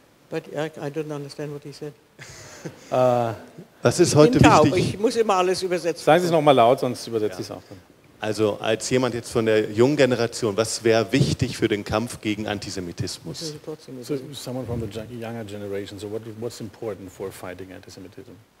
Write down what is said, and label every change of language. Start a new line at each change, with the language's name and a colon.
English: But Eric, I don't understand what he said.
German: Was ist heute wichtig? Ich muss immer alles übersetzen. Sagen Sie es nochmal laut, sonst übersetze ja. Ich es auch. Also als jemand jetzt von der jungen Generation, was wäre wichtig für den Kampf gegen Antisemitismus?
English: So, someone from the younger generation, so what's important for fighting antisemitism?